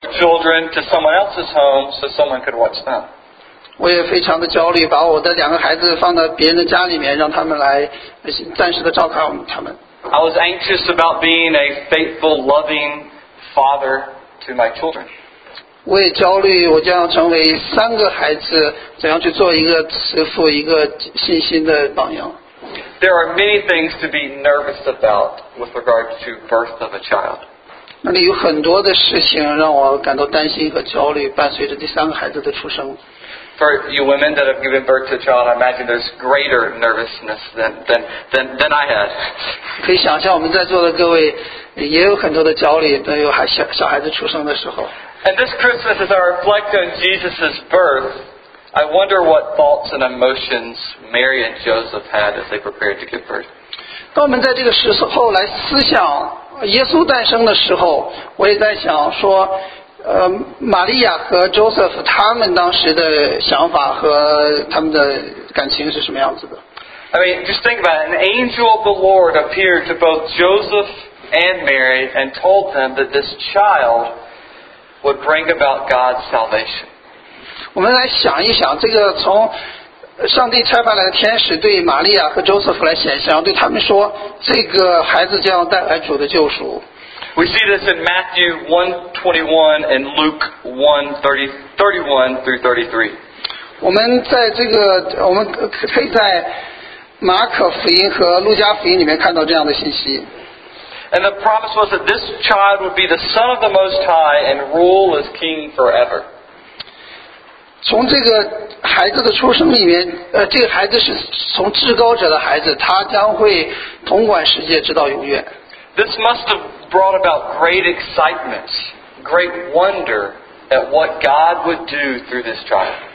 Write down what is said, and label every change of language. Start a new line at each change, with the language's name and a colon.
English: children to someone else's home so someone could watch them.
Chinese: 我也非常的焦虑，把我的两个孩子放到别人的家里面，让他们来暂时的照看他们。
English: I was anxious about being a faithful, loving father to my children.
Chinese: 我也焦虑，我将要成为三个孩子怎样去做一个慈父、一个信心的榜样。
English: There are many things to be nervous about with regard to birth of a child.
Chinese: 那里有很多的事情让我感到担心和焦虑，伴随着第三个孩子的出生。
English: For you women that have given birth to a child, I imagine there's greater nervousness than I had.
Chinese: 可以想象我们在座的各位也有很多的焦虑，都有小孩子出生的时候。
English: And this Christmas, as I reflect on Jesus' birth, I wonder what thoughts and emotions Mary and Joseph had as they prepared to give birth.
Chinese: 当我们在这个时候来思想耶稣诞生的时候，我也在想说。玛利亚和 Joseph 他们当时的想法和他们的感情是什么样子的
English: I mean, just think about it. An angel of the Lord appeared to both Joseph and Mary and told them that this child would bring about God's salvation.
Chinese: 我们来想一想，这个从上帝差派来的天使对玛利亚和 Joseph 来显现，对他们说，这个孩子将带来主的救赎。
English: We see this in Matthew 1:21 and Luke 1:31-33.
Chinese: 我们在这个我们可以在马可福音和路加福音里面看到这样的信息。
English: And the promise was that this child would be the son of the Most High and rule as king forever.
Chinese: 从这个孩子的出生里面，这个孩子是从至高者的孩子，他将会统管世界直到永远。
English: This must have brought about great excitement, great wonder at what God would do through this child.